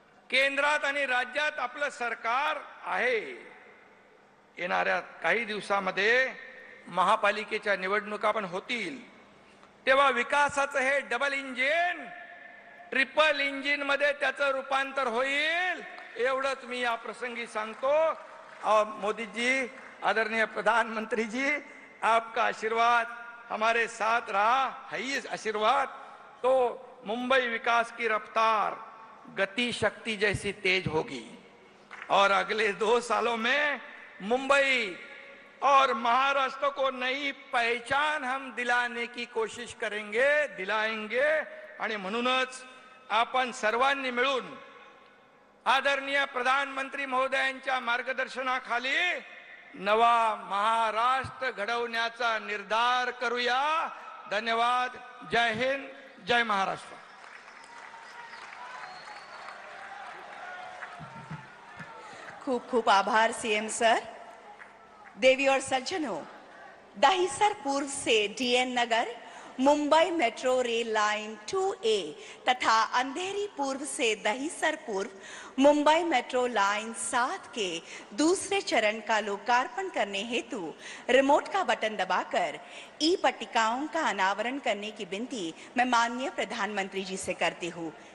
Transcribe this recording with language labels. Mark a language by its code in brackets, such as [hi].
[mr] केंद्रात आणि राज्यात आपलं सरकार आहे। येणाऱ्या काही दिवसांमध्ये महापालिकेच्या निवडणुका पण होतील, तेव्हा विकासाचं हे डबल इंजिन ट्रिपल इंजिन मध्ये त्याचं रूपांतर होईल, एवढंच मी या प्रसंगी सांगतो। [hi] मोदीजी, आदरणीय प्रधानमंत्री जी, आपका आशीर्वाद हमारे साथ रहा है, ही आशीर्वाद, तो मुंबई विकास की रफ्तार गति शक्ति जैसी तेज होगी। और अगले 2 सालों में मुंबई और महाराष्ट्र को नई पहचान हम दिलाने की कोशिश करेंगे, दिलाएंगे। [mr] आणि म्हणूनच आपण सर्वांनी मिळून आदरणीय प्रधानमंत्री महोदयांच्या मार्गदर्शनाखाली नवा महाराष्ट्र घडवण्याचा निर्धार करूया। धन्यवाद। जय हिंद, जय महाराष्ट्र। खूप खूप आभार CM सर। [hi] देवी और सज्जनो, दहिसर पूर्व से DN नगर Mumbai metro rail line 2A तथा अंधेरी पूर्व से दहिसर पूर्व मुंबई मेट्रो लाइन 7 के दूसरे चरण का लोकार्पण करने हेतु रिमोट का बटन दबाकर ई पट्टिकाओं का अनावरण करने की विनती मैं माननीय प्रधानमंत्री जी से करती हूँ।